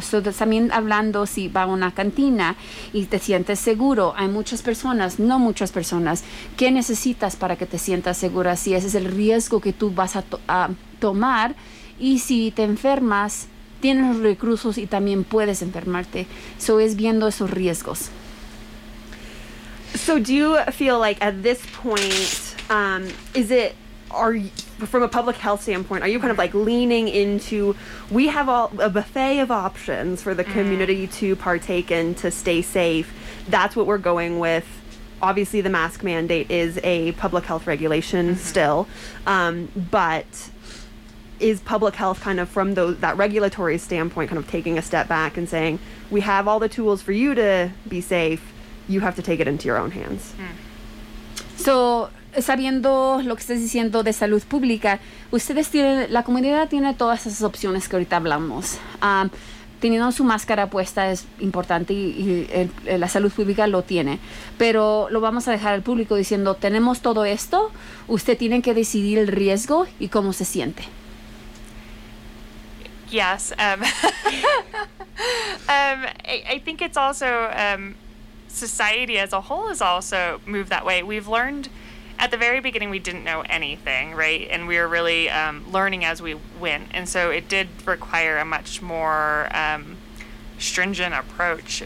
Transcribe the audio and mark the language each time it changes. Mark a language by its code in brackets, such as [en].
[es] So, también hablando si va a una cantina y te sientes seguro. Hay muchas personas, no muchas personas. ¿Qué necesitas para que te sientas segura? Si ese es el riesgo que tú vas a tomar, y si te enfermas, tienes recursos y también puedes enfermarte. So es viendo esos riesgos. [en] So do you feel like at this point, from a public health standpoint, are you kind of like leaning into, we have all a buffet of options for the community to partake in to stay safe, that's what we're going with? Obviously the mask mandate is a public health regulation still, but is public health kind of from that regulatory standpoint kind of taking a step back and saying, we have all the tools for you to be safe, you have to take it into your own hands? [es] So sabiendo lo que estás diciendo de salud pública, ustedes tienen, la comunidad tiene todas esas opciones que ahorita hablamos. Teniendo su máscara puesta es importante y la salud pública lo tiene. Pero lo vamos a dejar al público diciendo, tenemos todo esto, usted tiene que decidir el riesgo y cómo se siente. [en] Yes. I think it's also, society as a whole has also moved that way. We've learned at the very beginning, we didn't know anything, right? And we were really learning as we went. And so it did require a much more stringent approach.